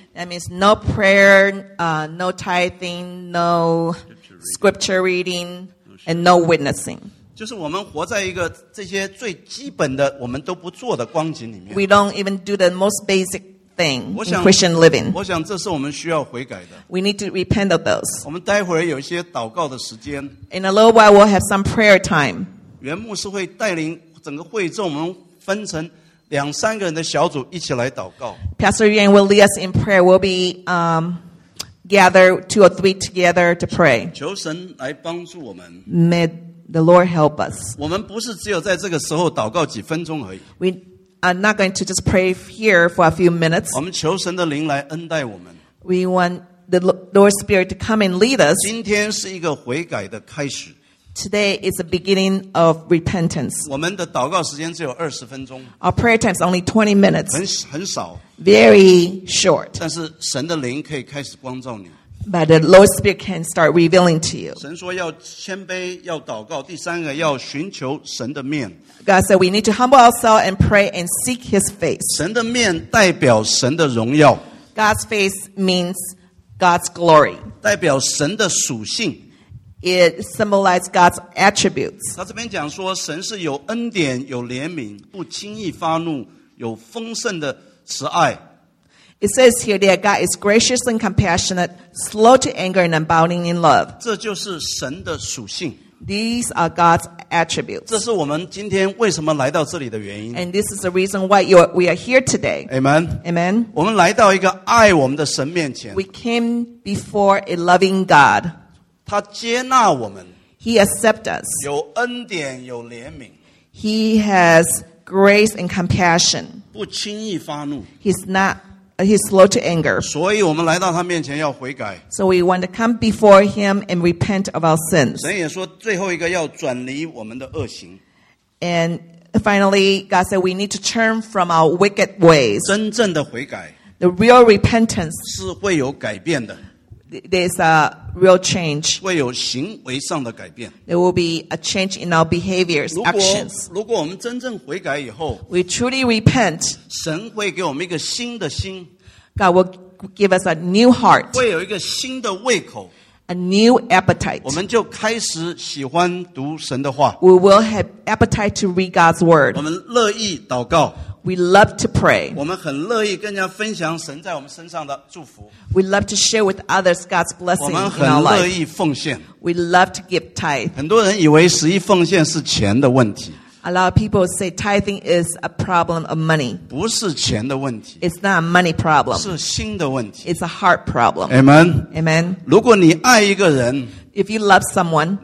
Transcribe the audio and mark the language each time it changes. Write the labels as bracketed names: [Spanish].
[English] That means no prayer, no tithing, no scripture reading, and no witnessing. [Chinese] 就是我们活在一个这些最基本的我们都不做的光景里面。 [English] We don't even do the most basic thing in Christian living. [Chinese] 我想这是我们需要悔改的。 [English] We need to repent of those. [Chinese] 我们待会儿有一些祷告的时间。 [English] In a little while, we'll have some prayer time. [Chinese] 袁牧师会带领整个会众，我们分成两三个人的小组一起来祷告。 [English] Pastor Yuan will lead us in prayer. We'll be gather two or three together to pray. [Chinese] 求神来帮助我们。 [English] May the Lord help us. [Chinese] 我们不是只有在这个时候祷告几分钟而已。 [English] We are not going to just pray here for a few minutes. [Chinese] 我们求神的灵来恩待我们。 [English] We want the Lord's Spirit to come and lead us. [Chinese] 今天是一个悔改的开始。 [English] Today is the beginning of repentance. [Chinese] 我们的祷告时间只有20分钟。 [English] Our prayer time is only 20 minutes. [Chinese] 很少。 [English] Very short. [Chinese] 但是神的灵可以开始光照你。 [English] But the Lord's Spirit can start revealing to you. [Chinese] 神说要谦卑，要祷告，第三个要寻求神的面。 [English] God said we need to humble ourselves and pray and seek His face. [Chinese] 神的面代表神的荣耀。 [English] God's face means God's glory. [Chinese] 代表神的属性。 [English] It symbolizes God's attributes. [Chinese] 他这边讲说，神是有恩典、有怜悯、不轻易发怒、有丰盛的慈爱。 [English] It says here that God is gracious and compassionate, slow to anger and abounding in love. [Chinese] 这就是神的属性。 [English] These are God's attributes. [Chinese] 这是我们今天为什么来到这里的原因。 [English] And this is the reason why we are here today. Amen. Amen. [Chinese] 我们来到一个爱我们的神面前。 [English] We came before a loving God. [Chinese] 他接纳我们。 [English] He accepts us. [Chinese] 有恩典，有怜悯。 [English] He has grace and compassion. [Chinese] 不轻易发怒。 [English] He's slow to anger. [Chinese] 所以我们来到他面前要悔改。 [English] So we want to come before him and repent of our sins. [Chinese] 神也说最后一个要转离我们的恶行。 [English] And finally, God said we need to turn from our wicked ways. [Chinese] 真正的悔改。 [English] The real repentance. [Chinese] 是会有改变的。 [English] There's a real change. [Chinese] 会有行为上的改变。 [English] There will be a change in our behaviors, actions. [Chinese] 如果我们真正悔改以后， [English] we truly repent. [Chinese] 神会给我们一个新的心。 [English] God will give us a new heart. [Chinese] 会有一个新的胃口。 [English] A new appetite. [Chinese] 我们就开始喜欢读神的话。 [English] We will have appetite to read God's word. [Chinese] 我们乐意祷告。 [English] We love to pray. [Chinese] 我们很乐意跟人家分享神在我们身上的祝福。 [English] We love to share with others God's blessing in our life. [Chinese] 我们很乐意奉献。 [English] We love to give tithe. [Chinese] 很多人以为十一奉献是钱的问题。 [English] A lot of people say tithing is a problem of money. [Chinese] 不是钱的问题。 [English] It's not a money problem. [Chinese] 是心的问题。 [English] It's a heart problem. Amen. Amen. [Chinese] 如果你爱一个人， [English] If you love someone,